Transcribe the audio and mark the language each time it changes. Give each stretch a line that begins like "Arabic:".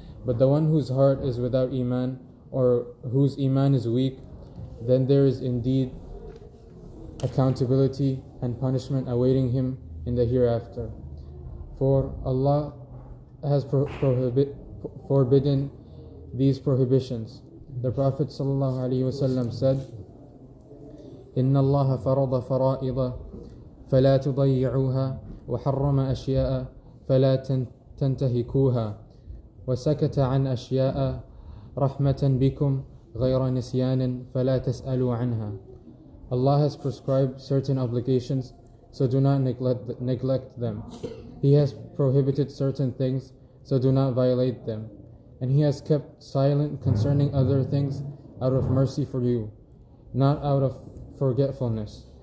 English: But the one whose heart is without iman, or whose iman is weak, then there is indeed accountability and punishment awaiting him in the hereafter. For Allah has forbidden these prohibitions. The Prophet sallallahu alaihi wasallam said,
Arabic: "Inna Allah farada fara'ida فلا تضيعوها وحرم أشياء فلا تنتهكوها وسكت عن أشياء رحمة بكم غير نسيان فلا تسألوا عنها."
English: Allah has prescribed certain obligations, so do not neglect them. He has prohibited certain things, so do not violate them. And He has kept silent concerning other things out of mercy for you, not out of forgetfulness.